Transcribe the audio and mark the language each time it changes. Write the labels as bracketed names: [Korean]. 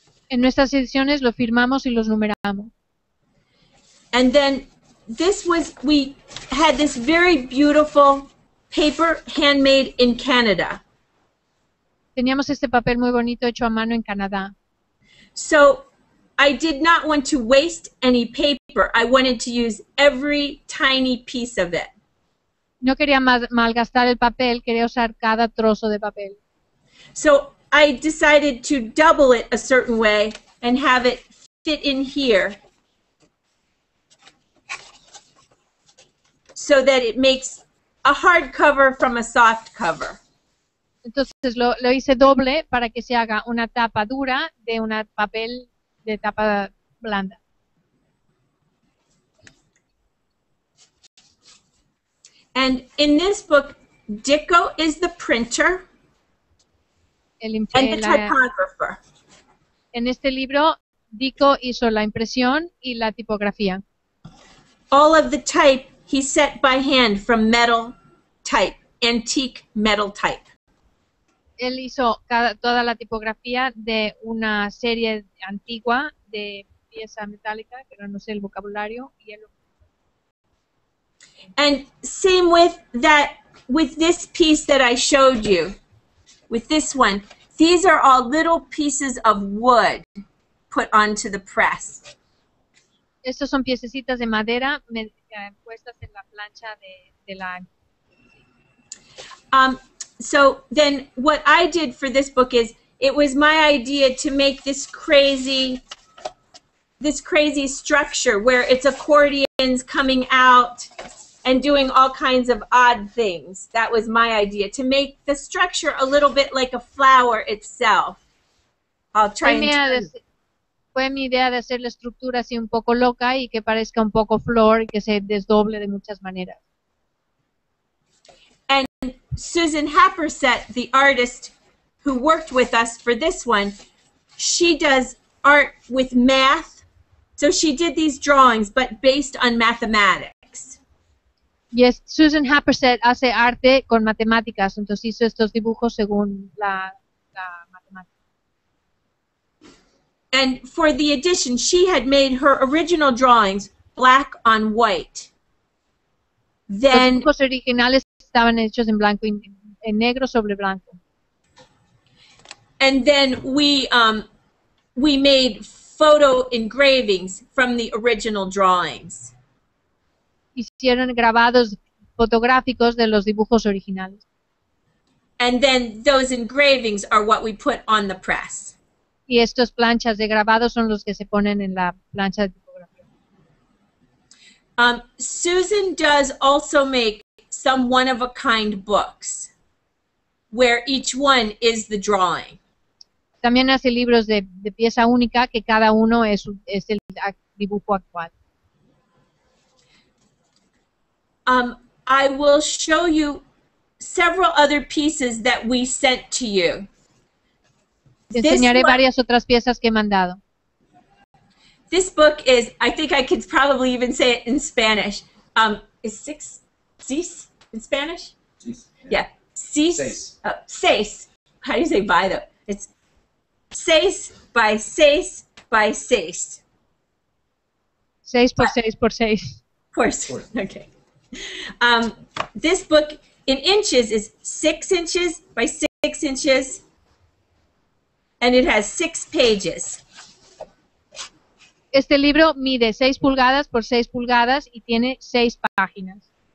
[Spanish] En nuestras ediciones lo firmamos y los numeramos. [English] And then this was, we had this very beautiful paper handmade in Canada. [Spanish] Teníamos este papel muy bonito hecho a mano en Canadá. [English] So, I did not want to waste any paper. I wanted to use every tiny piece of it. [Spanish] No quería malgastar el papel, quería usar cada trozo de papel. [English] So, I decided to double it a certain way and have it fit in here. So that it makes a hard cover from a soft cover. [Spanish] Entonces lo hice doble para que se haga una tapa dura de un papel de tapa blanda. [English] And in this book, Dicko is the printer and the typographer. [Spanish] En este libro, Dicko hizo la impresión y la tipografía. [English] All of the type he set by hand from metal type, antique metal type. [Spanish] Él hizo toda la tipografía de una serie antigua de pieza metálica, pero no sé el vocabulario. Y él... [English] And same with that, with this piece that I showed you, with this one. These are all little pieces of wood put onto the press. [Spanish] Estos son piececitas de madera puestas en la plancha de la... [English] So then what I did for this book is, it was my idea to make this crazy structure where it's accordions coming out and doing all kinds of odd things. That was my idea, to make the structure a little bit like a flower itself. I'll try and tell you. [Spanish] Fue mi idea de hacer la estructura así un poco loca y que parezca un poco flor y que se desdoble de muchas maneras. [English] Susan Happersett, the artist who worked with us for this one, she does art with math. So she did these drawings, but based on mathematics. [Spanish] Yes, Susan Happersett hace arte con matemáticas. Entonces hizo estos dibujos según la matemática. [English] And for the edition, she had made her original drawings black on white. Then. [Spanish] Los dibujos originales estaban hechos en blanco, en negro sobre blanco. [English] And then we made photo engravings from the original drawings. [Spanish] Hicieron grabados fotográficos de los dibujos originales. [English] And then those engravings are what we put on the press. [Spanish] Y estas planchas de grabado son los que se ponen en la plancha de tipografía. [English] Susan does also make some one-of-a-kind books, where each one is the drawing. [Spanish] También hace libros de pieza única, que cada uno es el dibujo actual. [English] I will show you several other pieces that we sent to you. [Spanish] Te enseñaré varias otras piezas que he mandado. [English] This book is, I think I could probably even say it in Spanish, is six, six? In Spanish? Yeah. Seis. How do you say by though? It's Seis by Seis by Seis. [Spanish] Seis por Seis por Seis. [English] Of course. Okay. This book in inches is 6 inches by 6 inches. And it has 6 pages. [Spanish] Este libro mide 6 pulgadas por 6 pulgadas y tiene 6 páginas.